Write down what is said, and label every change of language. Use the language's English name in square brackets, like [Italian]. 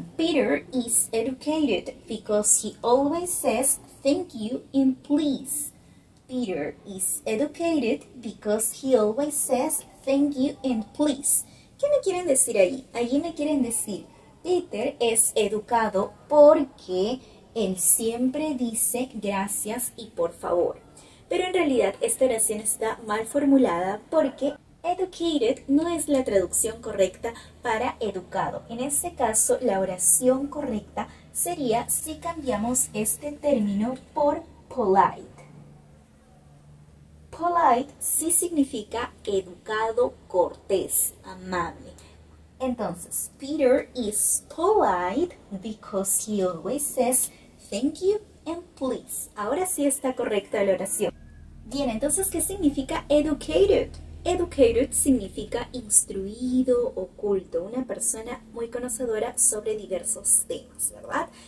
[English] Peter is educated because he always says thank you and please. Peter is educated because he always says thank you and please. [Spanish] ¿Qué me quieren decir ahí? Allí me quieren decir, Peter es educado porque él siempre dice gracias y por favor. Pero en realidad esta oración está mal formulada porque educated no es la traducción correcta para educado. En este caso la oración correcta sería si cambiamos este término por polite. Polite sí significa educado, cortés, amable. [English] Entonces, Peter is polite because he always says thank you and please. [Spanish] Ahora sí está correcta la oración. Bien, entonces, ¿qué significa educated? Educated significa instruido, oculto, una persona muy conocedora sobre diversos temas, ¿verdad?